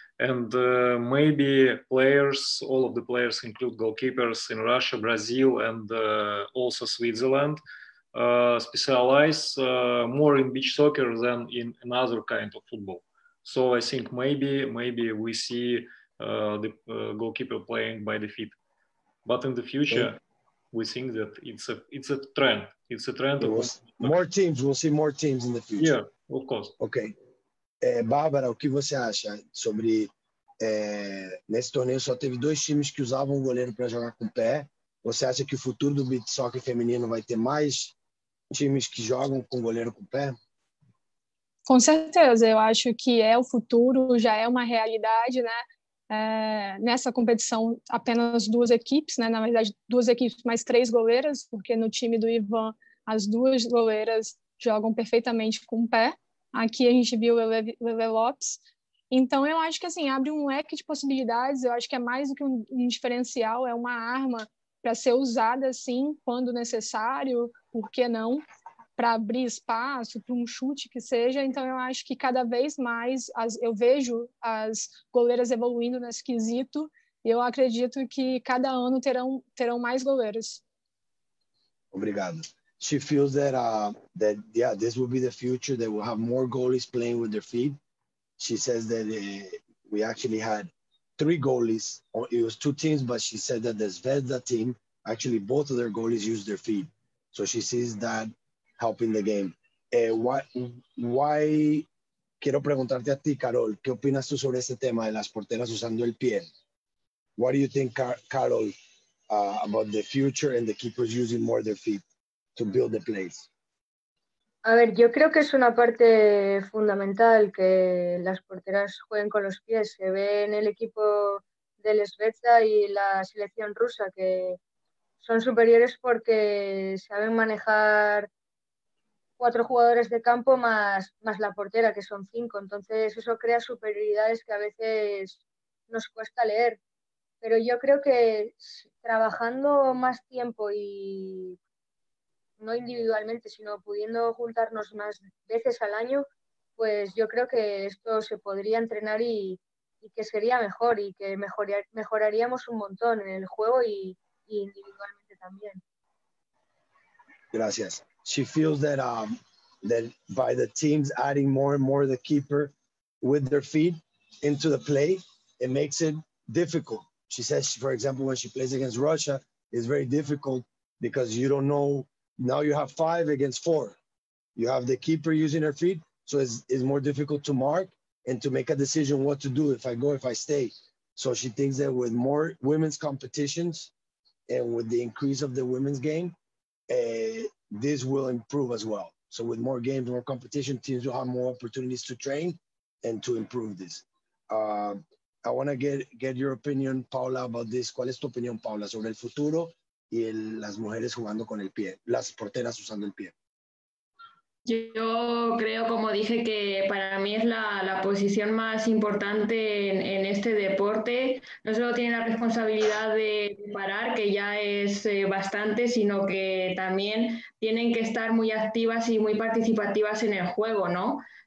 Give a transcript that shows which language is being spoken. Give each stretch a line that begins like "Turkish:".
English: And maybe players, all of the players include goalkeepers in Russia, Brazil, and also Switzerland, specialize more in beach soccer than in another kind of football. So I think maybe we see the goalkeeper playing by the feet. But in the future, we think that it's a trend. It's a trend. More teams. We'll see more teams in the future. Yeah, of course. Okay.
Portuguese: Bárbara, o que você acha sobre nesse torneio só teve dois times que usavam o goleiro para jogar com o pé? Você acha que o futuro do beach soccer feminino vai ter mais times que jogam com goleiro com o pé? Com certeza, eu acho que é o futuro, já é uma realidade, né? Nessa competição, apenas duas equipes, né? Na verdade, duas equipes mais três goleiras, porque no time do Ivan as duas goleiras jogam perfeitamente com o pé. Aqui a gente viu o Lele Lopes. Então, eu acho que assim, abre um leque de possibilidades. Eu acho que é mais do que um diferencial, é uma arma para ser usada assim, quando necessário, por que não, para abrir espaço, para um chute que seja. Então, eu acho que cada vez mais eu vejo as goleiras evoluindo nesse quesito. E eu acredito que cada ano terão mais goleiras. Obrigado.
English: She feels that this will be the future. They will have more goalies playing with their feet. She says that we actually had three goalies. It was two teams, but she said that the Zvezda team, actually both of their goalies used their feet. So she sees that helping the game. Why?
Spanish: Quiero preguntarte a ti, Carol. ¿Qué opinas tú sobre este tema de las porteras usando el pie?
English: What do you think, Carol, about the future and the keepers using more their feet to build the place?
Spanish: A ver, yo creo que es una parte fundamental que las porteras jueguen con los pies. Se ve en el equipo del Zvezda y la selección rusa que son superiores porque saben manejar cuatro jugadores de campo más la portera, que son cinco. Entonces eso crea superioridades que a veces nos cuesta leer. Pero yo creo que trabajando más tiempo y no individualmente, sino pudiendo juntarnos más veces al año, pues yo creo que esto se podría entrenar y, y que sería mejor y que mejoraríamos un montón en el juego y individualmente también. Gracias.
English: She feels that that by the teams adding more and more the keeper with their feet into the play, it makes it difficult. She says, for example, when she plays against Russia, it's very difficult because you don't know, now you have five against four. You have the keeper using her feet, so it's more difficult to mark and to make a decision what to do, if I go, if I stay. So she thinks that with more women's competitions and with the increase of the women's game, this will improve as well. So with more games, more competition, teams will have more opportunities to train and to improve this. I want to get your opinion, Paula, about this.
Spanish: ¿Cuál es tu opinión, Paula, sobre el futuro y las mujeres jugando con el pie, las porteras usando el pie? Yo creo, como dije, que para mí es la posición más importante en este deporte. No solo tiene la responsabilidad de parar, que ya es bastante, sino que también tienen que estar muy activas y muy participativas en el juego, ¿no?